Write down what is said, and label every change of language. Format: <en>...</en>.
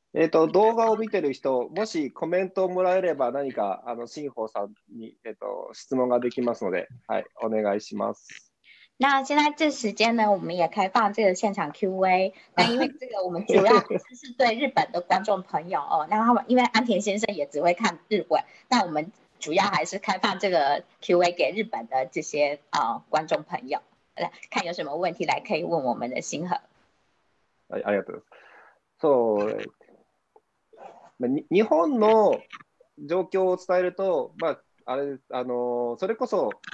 <ja>動画を見てる人、もしコメントをもらえれば何かあの新宝さんに、質問ができますので、はい、お願いします。</ja> <zh>那现在这时间呢，我们也开放这个现场 Q&A。那因为这个，我们主要是对日本的观众朋友哦。那他们因为安田先生也只会看日文，那我们主要还是开放这个 Q&A 给日本的这些啊、观众朋友，来看有什么问题来可以问我们的新和。</zh> <ja>哎，ありがとうございます。そう、まあ、日本の状況を伝えると、まああれあのそれこそ。</ja>